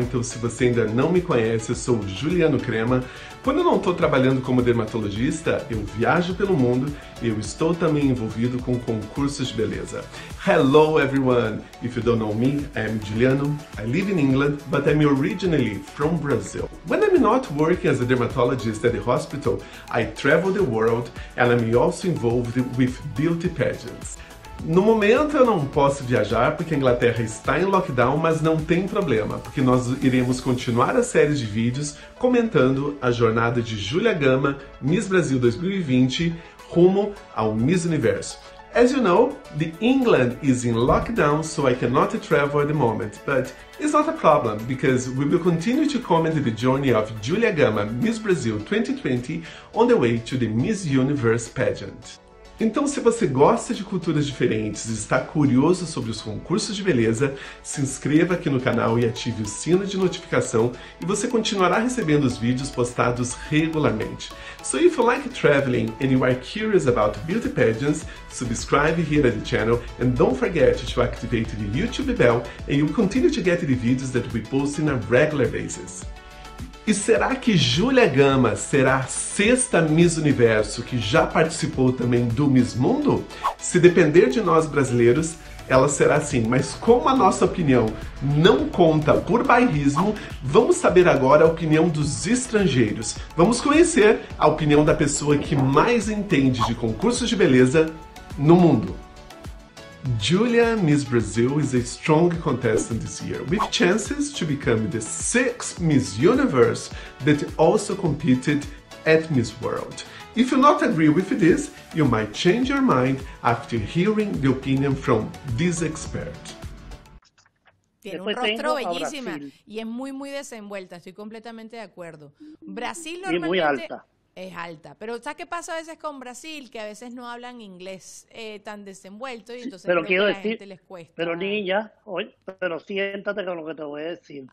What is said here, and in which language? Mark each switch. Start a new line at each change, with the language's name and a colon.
Portuguese: Então, se você ainda não me conhece, eu sou o Juliano Crema. Quando eu não estou trabalhando como dermatologista, eu viajo pelo mundo e eu estou também envolvido com concursos de beleza.
English: Hello, everyone! If you don't know me, I'm Juliano. I live in England, but I'm originally from Brazil. When I'm not working as a dermatologist at the hospital, I travel the world and I'm also involved with beauty pageants.
Portuguese: No momento eu não posso viajar porque a Inglaterra está em lockdown, mas não tem problema, porque nós iremos continuar a série de vídeos comentando a jornada de Júlia Gama, Miss Brasil 2020, rumo ao Miss Universo.
English: As you know, the England is in lockdown, so I cannot travel at the moment, but it's not a problem, because we will continue to comment the journey of Júlia Gama, Miss Brasil 2020, on the way to the Miss Universe pageant.
Portuguese: Então, se você gosta de culturas diferentes e está curioso sobre os concursos de beleza, se inscreva aqui no canal e ative o sino de notificação e você continuará recebendo os vídeos postados regularmente.
English: So if you like traveling and you are curious about beauty pageants, subscribe here at the channel and don't forget to activate the YouTube bell and you'll continue to get the videos that we post on a regular basis.
Portuguese: E será que Júlia Gama será a sexta Miss Universo que já participou também do Miss Mundo? Se depender de nós brasileiros, ela será sim. Mas como a nossa opinião não conta por bairrismo, vamos saber agora a opinião dos estrangeiros. Vamos conhecer a opinião da pessoa que mais entende de concursos de beleza no mundo.
English: Julia, Miss Brazil is a strong contestant this year, with chances to become the sixth Miss Universe that also competed at Miss World. If you not agree with this, you might change your mind after hearing the opinion from this expert.
Spanish: Tiene un rostro bellísima y es muy muy desenvuelta, estoy completamente de acuerdo. Brasil normalmente es muy alta. Es alta. Pero ¿sabes qué pasa a veces con Brasil? Que a veces no hablan inglés tan desenvuelto y entonces pero quiero a decir, gente les cuesta. Pero niña, oye, pero siéntate con lo que te voy a decir.